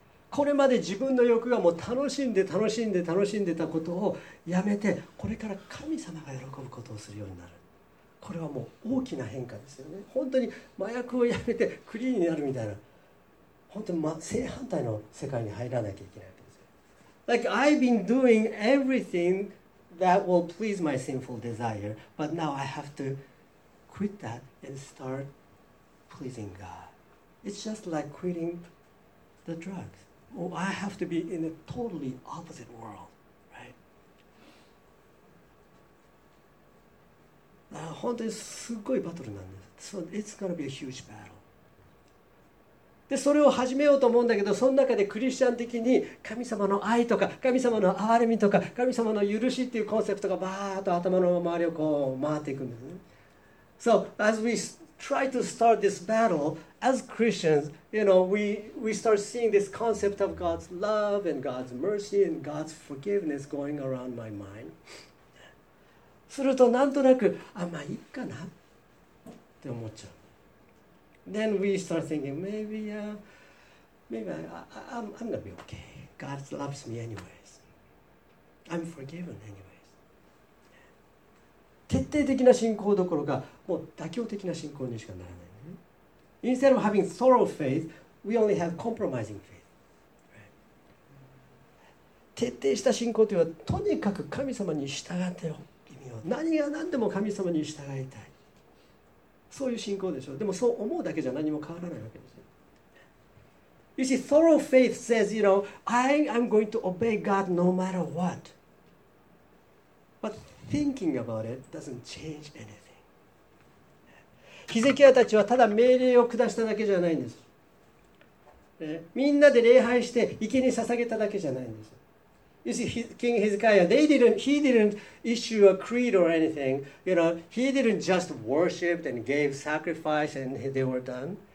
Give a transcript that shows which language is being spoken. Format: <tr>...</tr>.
<ja>これまで自分の欲がもう楽しんで楽しんで楽しんでたことをやめて、これから神様が喜ぶことをするようになる。これはもう大きな変化ですよね。本当に麻薬をやめてクリーンになるみたいな、本当に正反対の世界に入らなきゃいけないわけですよ。</ja> <en>Like I've been doing everythingThat will please my sinful desire, but now I have to quit that and start pleasing God. It's just like quitting the drugs. Well, I have to be in a totally opposite world, right?</en> <ja>本当にすごいバトルなんです。</ja> <en>So it's going to be a huge battle.</en> <ja>でそれを始めようと思うんだけど、その中でクリスチャン的に神様の愛とか神様の憐れみとか神様の許しっていうコンセプトがバーッと頭の周りをこう回っていくんですね。</ja> <en>So as we try to start this battle as Christians, you know, we start seeing this concept of God's love and God's mercy and God's forgiveness going around my mind.</en> <ja>するとなんとなく、あ、まあいいかなって思っちゃう。</ja> <en>Then we start thinking, maybe I'm gonna be okay. God loves me anyways. I'm forgiven anyways.</en> <ja>徹底的な信仰どころか、もう妥協的な信仰にしかならない、ね。</ja> <en>Instead of having thorough faith, we only have compromising faith. Right.</en> <ja>徹底した信仰というのは、とにかく神様に従ってよ、君を。何が何でも神様に従いたい。そういう信仰でしょう。でもそう思うだけじゃ何も変わらないわけですよ。</ja> <en>You see, thorough faith says, you know, I am going to obey God no matter what. But thinking about it doesn't change anything.</en> <ja>ヒゼキヤたちはただ命令を下しただけじゃないんです。みんなで礼拝して生贄に捧げただけじゃないんです。</ja> <en>You see, King Hezekiah, he didn't issue a creed or anything. You know, he didn't just worship and gave sacrifice and they were done.</en>